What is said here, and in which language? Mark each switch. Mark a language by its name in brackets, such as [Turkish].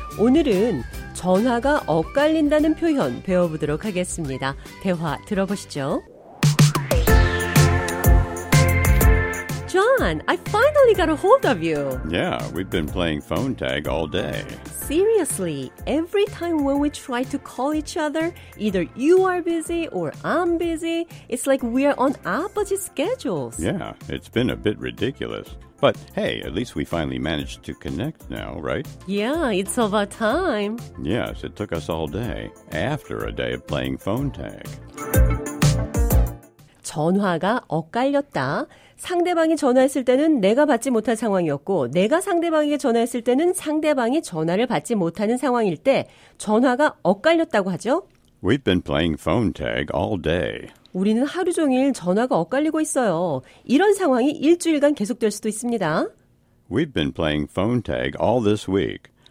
[Korean] 오늘은 전화가 엇갈린다는 표현 배워보도록 하겠습니다. 대화 들어보시죠. [English] John, I finally got a hold of you. Yeah, we've been playing phone tag all day. Seriously, every time when we try to call each other, either you are busy or I'm busy, it's like we are on opposite schedules. Yeah, it's been a bit ridiculous. But hey, at least we finally managed to connect now, right? Yeah, it's about time. Yes, it took us all day, after a day of playing phone tag. [Korean] 전화가 엇갈렸다. 상대방이 전화했을 때는 내가 받지 못할 상황이었고 내가 상대방에게 전화했을 때는 상대방이 전화를 받지 못하는 상황일 때 전화가 엇갈렸다고 하죠. [English] We've been playing phone tag all day. [Korean] 우리는 하루 종일 전화가 엇갈리고 있어요. 이런 상황이 일주일간 계속될 수도 있습니다. [English] We've been playing phone tag all this week.